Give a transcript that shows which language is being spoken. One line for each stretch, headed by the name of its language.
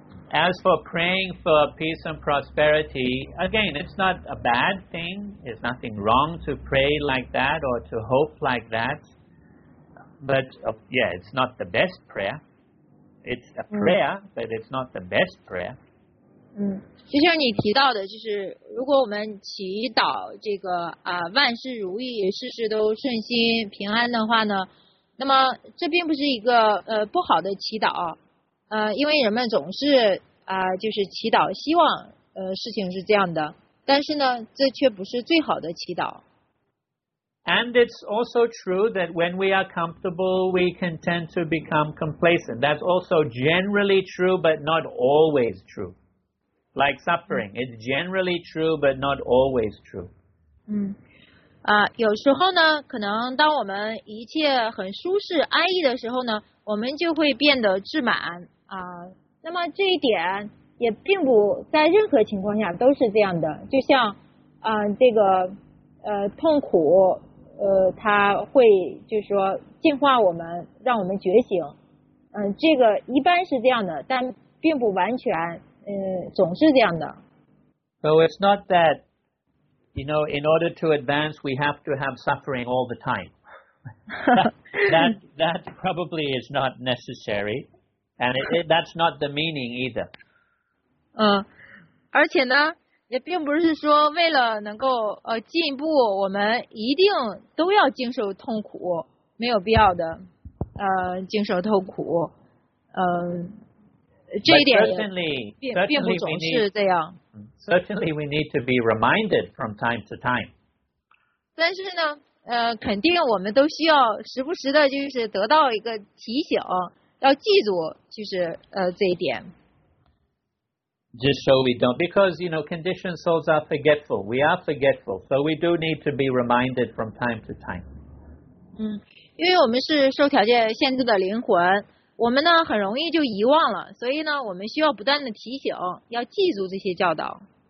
English: As for praying for peace and prosperity, again, it's not a bad thing. There's nothing wrong to pray like that or to hope like that. But, it's not the best prayer. It's a prayer, but it's not the best prayer.
Chinese: 就像你提到的，就是如果我们祈祷这个万事如意，事事都顺心平安的话呢，那么这并不是一个不好的祈祷。因为人们总是就是祈祷希望事情是这样的，但是呢，这却不是最好的祈祷。
English: And it's also true that when we are comfortable, we can tend to become complacent. That's also generally true, but not always true. Like suffering, it's generally true, but not always true.
Chinese: 有时候呢，可能当我们一切很舒适安逸的时候呢，我们就会变得自满。那么这一点也并不在任何情况下都是这样的，就像这个痛苦它会就是说净化我们，让我们觉醒，这个一般是这样的，但并不完全总是这样的。
English: So it's not that, you know, in order to advance we have to have suffering all the time. that probably is not necessary. And that's not the meaning either.
Chinese: 而且呢，也并不是说为了能够进步，我们一定都要经受痛苦，没有必要的，经受痛苦，这一点也并不总是这样。
English: Certainly we need to be reminded from time to time.
Chinese: 但是呢，肯定我们都需要时不时的，就是得到一个提醒。要记住，就是这一点。
English: Just so we don't, because you know, conditioned souls are forgetful. We are forgetful, so we do need to be reminded from time to time.
Chinese: 因为我们是受条件限制的灵魂，我们呢很容易就遗忘了，所以呢我们需要不断的提醒，要记住这些教导。